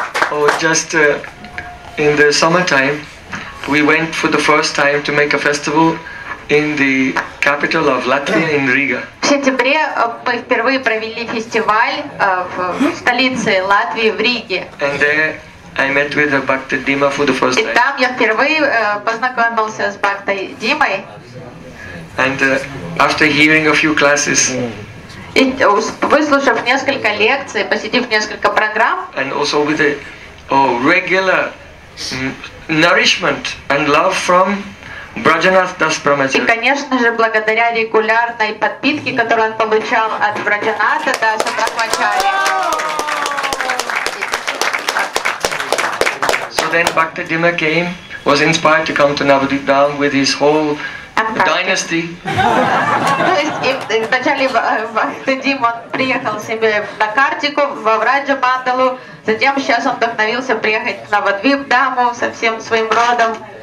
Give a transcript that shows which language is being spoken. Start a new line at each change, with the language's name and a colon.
English: Oh, just in the summertime, we went for the first time to make a festival in the capital of Latvia, in Riga.
Russian: В сентябре мы впервые провели фестиваль в столице Латвии, в Риге.
English: And there, I met with Bhakta Dima for the first time.
Russian: И там я впервые познакомился с Бхактой Димой.
English: And after hearing a few classes.
Russian: И выслушав несколько лекций, посетив несколько программ.
English: And also with the regular nourishment and love from Brajanath Das Brahmacharya.
Russian: И, конечно же, благодаря регулярной подпитке, которую он получал от Брахманата Дас Брахмачари.
English: So then Bhakta Dima came, was inspired to come to Navadvip down with his whole dynasty.
Russian: Вначале Бхакта Дима приехал себе на Картику, во Враджа Мандалу, затем сейчас он вдохновился приехать к Навадвип Даму со всем своим родом.